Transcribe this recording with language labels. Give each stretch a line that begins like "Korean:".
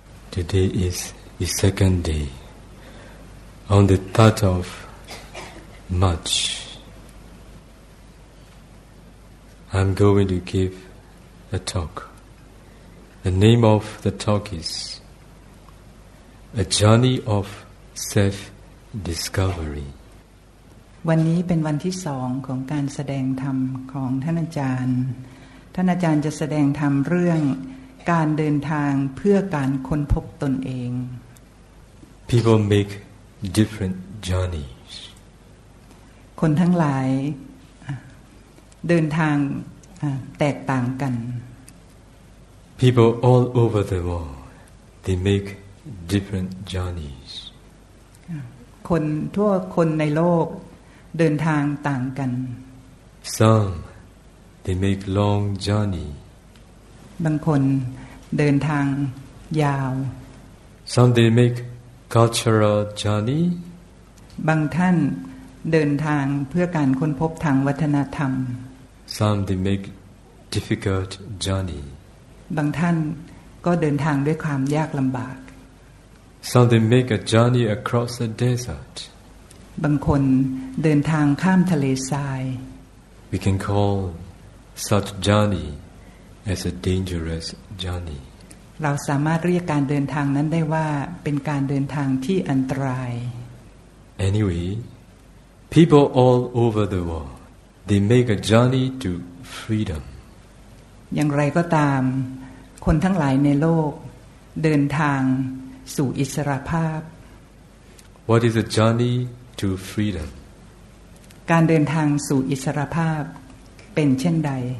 English: Today is the second day on the 3rd of March. I'm going to give a talk. The name of the talk is A Journey of Self-Discovery.
Thai: วันนี้เป็นวันที่สองของการแสดงธรรมของท่านอาจารย์ท่านอาจารย์จะแสดงธรรมเรื่องการเดินทางเพื่อการค้นพบตนเอง
English: People make different journeys
Thai: คนทั้งหลายเดินทางแตกต่างกัน
English: People all over the world they make different journeys
Thai: คนทั่วคนในโลกเดินทางต่างกัน
English: Some They make long journey.
Thai: บางคนเดินทางยาว
English: Some they make cultural journey.
Thai: บางท่านเดินทางเพื่อการค้นพบทางวัฒนธรรม
English: Some they make difficult journey.
Thai: บางท่านก็เดินทางด้วยความยากลำบาก
English: Some they make a journey across the desert.
Thai: บางคนเดินทางข้ามทะเลทราย
English: We can call such journey as a dangerous journey.
Thai: เราสามารถเรียกการเดินทางนั้นได้ว่าเป็นการเดินทางที่อันตราย
English: Anyway, people all over the world, they make a journey to freedom.
Thai: อย่างไรก็ตามคนทั้งหลายในโลกเดินทางสู่อิสรภาพ
English: What is a journey to freedom?
Thai: การเดินทางสู่อิสรภาพเป็นเช่นใด